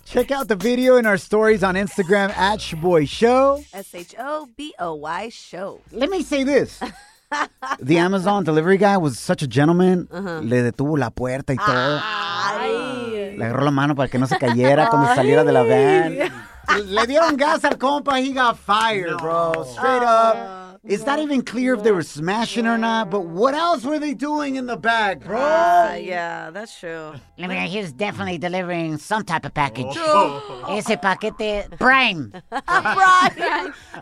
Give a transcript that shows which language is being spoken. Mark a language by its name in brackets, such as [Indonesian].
[English] Check out the video in our stories on Instagram at Shaboy Show. Shaboy Show. Let me say this. The Amazon delivery guy was such a gentleman. [Spanish] Le detuvo la puerta y todo. Le agarró la mano para que no se cayera cuando saliera de la van. Le dieron gas al compa. [English] He got fired, bro. Straight up. It's not even clear if they were smashing or not, but what else were they doing in the back, bro? Yeah, that's true. I mean, he was definitely delivering some type of package. True. [Spanish] Ese paquete prime. [English] Prime.